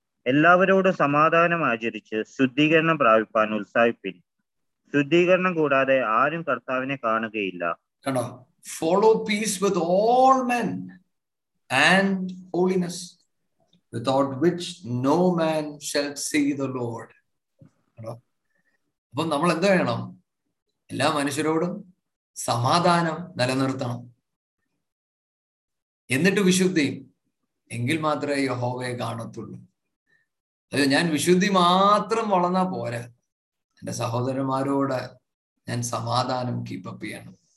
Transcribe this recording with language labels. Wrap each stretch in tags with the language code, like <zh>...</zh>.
<ml>എല്ലാവരോടും സമാധാനം ആചരിച്ച് ശുദ്ധീകരണം പ്രാപിപ്പാൻ ഉത്സാഹിപ്പിൻ. ശുദ്ധീകരണം കൂടാതെ ആരും കർത്താവിനെ കാണുകയില്ല.</ml> <en>Follow peace with all men and holiness, without which no man shall see the Lord.</en> <ml>അപ്പൊ നമ്മൾ എന്ത് ചെയ്യണം? എല്ലാ മനുഷ്യരോടും സമാധാനം നിലനിർത്തണം. എന്നിട്ട് വിശുദ്ധി, എങ്കിൽ മാത്രമേ യഹോവയെ കാണത്തുള്ളൂ. അതെ, ഞാൻ വിശുദ്ധി മാത്രം വളർന്നാ പോരെ, എൻ്റെ സഹോദരന്മാരോട് ഞാൻ സമാധാനം കീപ്പപ്പ് ചെയ്യണം.</ml>